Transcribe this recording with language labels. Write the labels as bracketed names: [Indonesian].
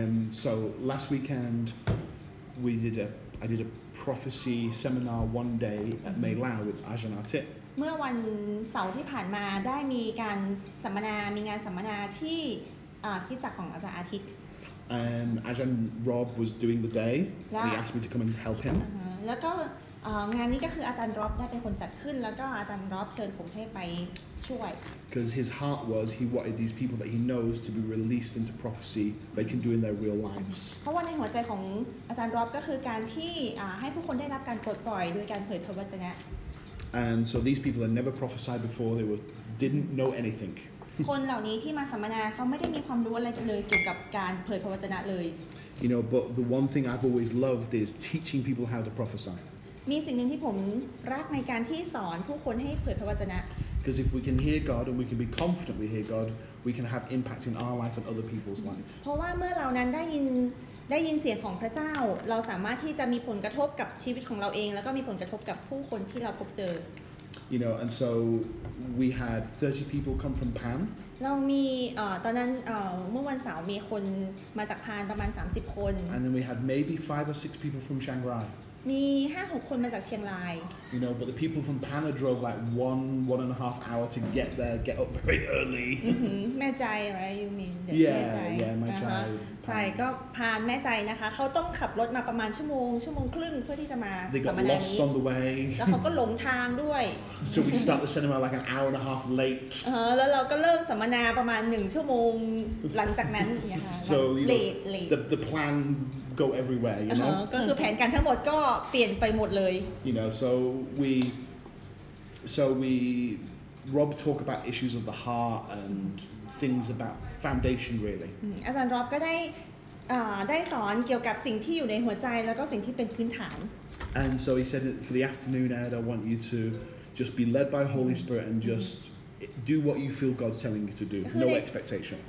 [English] So last weekend we did I did a prophecy seminar one day at Mae Lau with Ajahn Artit. [Thai] เมื่อวันเสาร์ที่ผ่านมาได้มีการสัมมนามีงานสัมมนาที่ที่จักรของอาจารย์อาทิตย์ [English] Ajahn Rob was doing the day and he asked me to come and help him [Thai] แล้วก็งานนี้ก็คืออาจารย์ Rob ได้เป็นคนจัดขึ้นแล้วก็อาจารย์ Rob เชิญผมให้ไปช่วย [English] Because his heart was he wanted these people that he knows to be released into prophecy they can do in their real lives [Thai] เพราะว่าในหัวใจของอาจารย์ Rob ก็คือการที่ให้ผู้คนได้รับการปลดปล่อยโดยการเผยพระวจนะ [English] And so these people had never prophesied before. They were didn't know anything. [Thai] คนเหล่านี้ที่มาสัมมนาเขาไม่ได้มีความรู้อะไรเลยเกี่ยวกับการเผยพระวจนะเลย [English] You know, but the one thing I've always loved is teaching people how to prophesy. [Thai] มีสิ่งหนึ่งที่ผมรักในการที่สอนผู้คนให้เผยพระวจนะ [English] Because if we can hear God and we can be confident we hear God, we can have impact in our life and other people's life. [Thai] เพราะว่าเมื่อเรานั้นได้ยินเสียงของพระเจ้าเราสามารถที่จะมีผลกระทบกับชีวิตของเราเองแล้วก็มีผลกระทบกับผู้คนที่เราพบเจ [English] อ You know and so we had 30 people come from Pan [Thai] เรามีตอนนั้นเมื่อวันเสาร์มีคนมาจากพานประมาณ30คน [English] And then we had maybe 5 or 6 people from Chiang Rai [Thai] มี 5-6 คนมาจากเชียงราย [English] You know but the people from Pan drove like 1 and a half hour to get there get up very early แม่ใจ right you mean Yeah, my child. [Thai] ใช่ก็พานแม่ใจนะคะเขาต้องขับรถมาประมาณชั่วโมงครึ่งเพื่อที่จะมา ประ มา [English] ณนี้ They got lost on the way [Thai] แล้วเขาก็หลงทางด้วย [English] So we start the seminar like an hour and a half late [Thai] แล้วเราก็เริ่มสัมมนาประมาณ1ชั่วโมงหลังจากนั้น [English] เนี่ยค่ะ late the plan go everywhere you know [Thai] ก็คือแผนการทั้งหมดก็เปลี่ยนไปหมดเลย [English] You know so we Rob talk about issues of the heart and things about foundation really [Thai] อาจารย์ Rob ก็ได้สอนเกี่ยวกับสิ่งที่อยู่ในหัวใจแล้วก็สิ่งที่เป็นพื้นฐาน [English] And so he said for the afternoon Ed I want you to just be led by Holy Spirit and justdo what you feel God's telling you to do no expectation